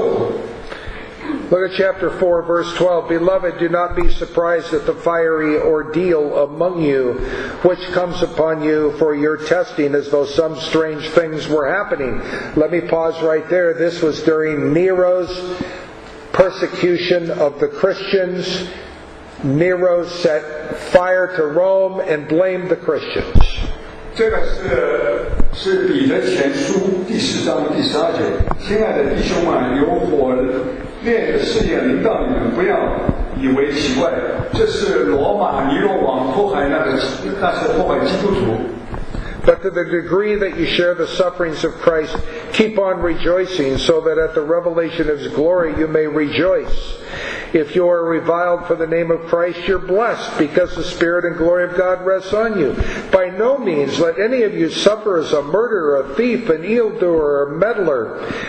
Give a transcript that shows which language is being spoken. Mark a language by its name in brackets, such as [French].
[English] Look at chapter 4, verse 12. Beloved, do not be surprised at the fiery ordeal among you, which comes upon you for your testing, as though some strange things were happening. Let me pause right there. This was during Nero's persecution of the Christians. Nero set fire to Rome and blamed the Christians. [Chinese] 这个是彼得前书第十章第十二节。亲爱的弟兄们，有火烈的试验临到你们，不要以为奇怪。这是罗马尼罗王迫害那些迫害基督徒。 [English] But to the degree that you share the sufferings of Christ, keep on rejoicing, so that at the revelation of His glory you may rejoice. If you are reviled for the name of Christ, you're blessed, because the Spirit and glory of God rests on you. By no means let any of you suffer as a murderer, a thief, an evildoer, or a meddler.